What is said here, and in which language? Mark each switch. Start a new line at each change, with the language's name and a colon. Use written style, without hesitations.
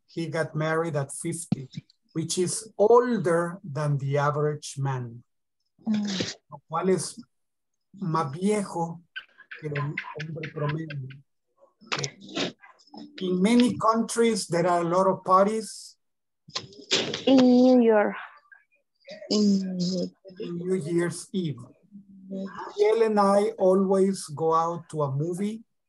English: He got married at 50, which is older than the average man.
Spanish: Lo cual es más viejo que el hombre promedio.
English: In many countries, there are a lot of parties. In New York. In New Year's Eve. Gabriel and I always go out to a movie.